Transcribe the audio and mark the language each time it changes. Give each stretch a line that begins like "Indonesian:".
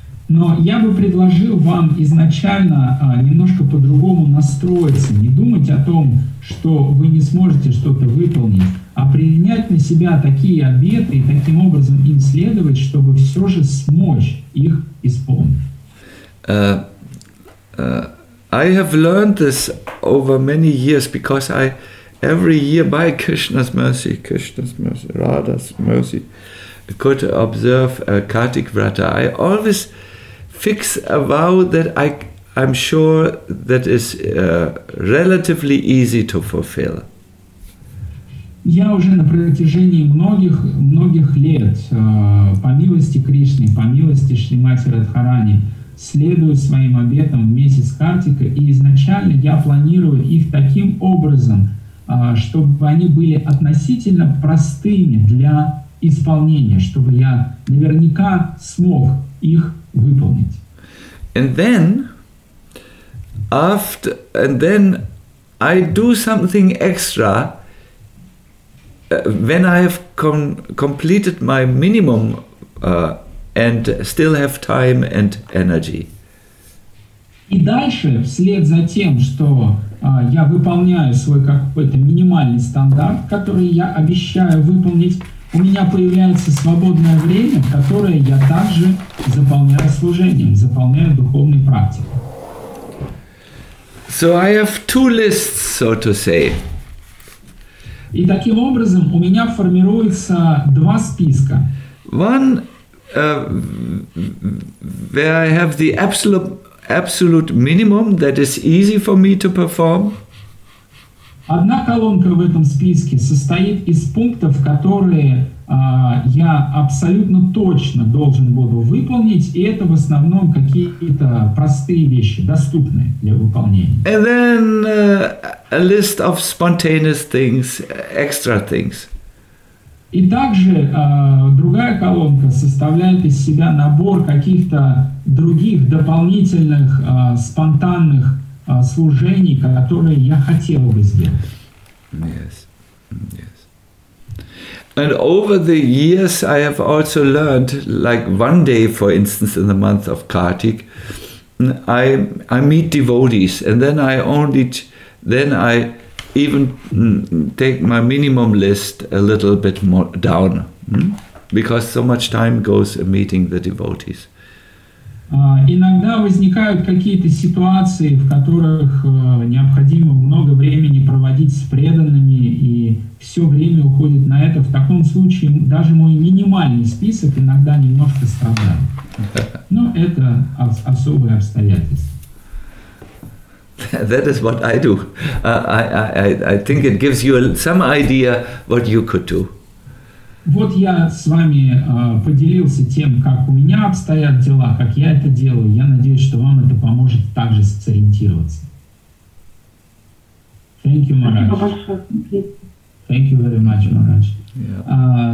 Russian: Но я бы предложил вам изначально немножко по-другому настроиться, не думать о том, что вы не сможете что-то выполнить, а принять на себя такие обеты и таким образом им следовать, чтобы все же смочь их исполнить.
English: I have learned this over many years because I, every year, by Krishna's mercy, Radha's mercy, could observe Kartik Vrata. I always fix a vow that I'm sure that is relatively easy to fulfill.
Russian: Я уже на протяжении многих лет по милости Кришны, по милости Шримати Радхарани. Следую своим обетам в месяц Картика, и изначально я планирую их таким образом, чтобы они были относительно простыми для исполнения, чтобы я наверняка смог их выполнить.
English: And then, after, and then I do something extra when I have completed my minimum and still have time and energy.
Russian: И дальше, вслед за тем, что я выполняю свой какой-то минимальный стандарт, который я обещаю выполнить, у меня появляется свободное время, которое я также заполняю служением, заполняю духовной практикой.
English: So I have two lists, so to say.
Russian: И таким образом у меня формируется два списка.
English: One where I have the absolute minimum that is easy for me to perform.
Russian: Одна колонка в этом списке состоит из пунктов, которые я абсолютно точно должен буду выполнить, и это в основном какие-то простые вещи, доступные для выполнения.
English: And then a list of spontaneous things, extra things.
Russian: И также другая колонка составляет из себя набор каких-то других дополнительных спонтанных служений, которые я хотел бы сделать.
English: Yes, yes. And over the years I have also learned, like one day, for instance, in the month of Kartik, I meet devotees, and then I even take my minimum list a little bit more down, because so much time goes in meeting the devotees.
Russian: Иногда возникают какие-то ситуации, в которых необходимо много времени проводить с преданными, и все время уходит на это. В таком случае даже мой минимальный список иногда немножко страдает. Но это особые обстоятельства.
English: That is what I do. I think it gives you some idea what you could do.
Russian: Вот я с вами поделился тем, как у меня обстоят дела, как я это делаю. Я надеюсь, что вам это поможет также сориентироваться.
English: Thank you, Maharaj. Thank you very much, Maharaj. Yeah.